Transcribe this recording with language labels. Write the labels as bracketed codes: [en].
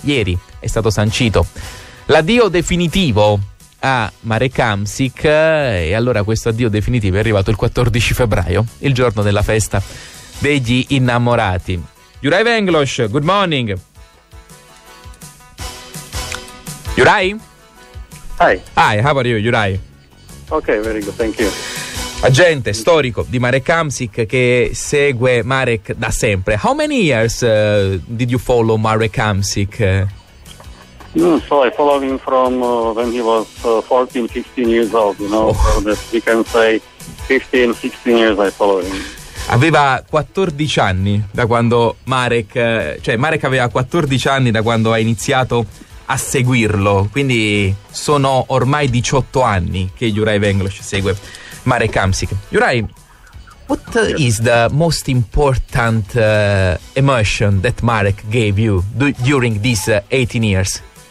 [it] Ieri è stato sancito l'addio definitivo a Marek Hamsik, e allora questo addio definitivo è arrivato il 14 febbraio, il giorno della festa degli innamorati. [en] Juraj Venglos, good morning. Juraj? Hi. Hi, how are you, Juraj? Ok, very good, thank you. [it] Agente storico di Marek Hamsik che segue Marek da sempre. [en] How many years did you follow Marek Hamsik? So I followed him from when he was 14, 15 years old, you know, so that we can say 15, 16 years I followed him. [it] Aveva 14 anni da quando Marek, cioè Marek aveva 14 anni da quando ha iniziato a seguirlo, quindi sono ormai 18 anni che Juraj Venglos segue Marek Hamsik. [en] Juraj, what is the most important emotion that Marek gave you during these 18 years?